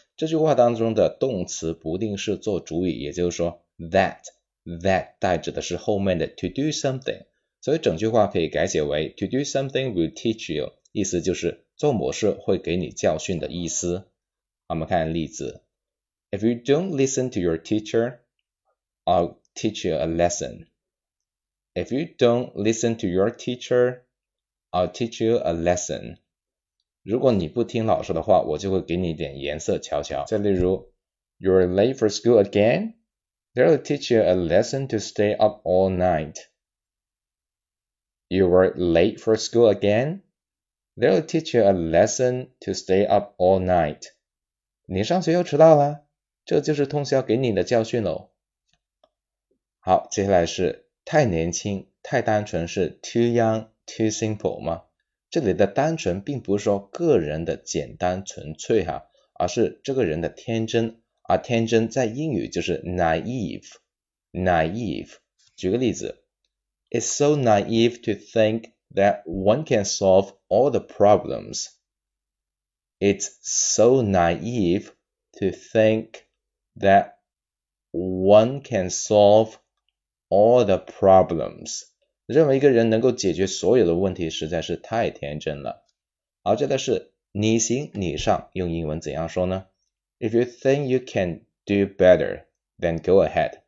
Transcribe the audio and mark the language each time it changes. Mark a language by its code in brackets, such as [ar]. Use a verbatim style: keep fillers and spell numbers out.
[zh] 这句话当中的动词不定式做主语，也就是说 that,That 代指的是后面的 to do something， 所以整句话可以改写为 [en] to do something will teach you， [zh] 意思就是做某事会给你教训的意思。我们看例子 [en] ，If you don't listen to your teacher, I'll teach you a lesson. If you don't listen to your teacher, I'll teach you a lesson. [zh] 如果你不听老师的话，我就会给你点颜色瞧瞧。再例如 [en] ，You're late for school again? They'll teach you a lesson to stay up all night. You were late for school again? They'll teach you a lesson to stay up all night. [zh] 你上学又迟到了，这就是通宵给你的教训喽。好，接下来是太年轻、太单纯是 [en] too young, too simple [zh] 吗？这里的单纯并不是说个人的简单纯粹哈，而是这个人的天真。而天真在英语就是 naive, naive. 举个例子 [en] ，It's so naive to think that one can solve all the problems. It's so naive to think that one can solve all the problems. [zh] 认为一个人能够解决所有的问题实在是太天真了。而这个是你行你上，用英文怎样说呢？ [en] If you think you can do better, then go ahead.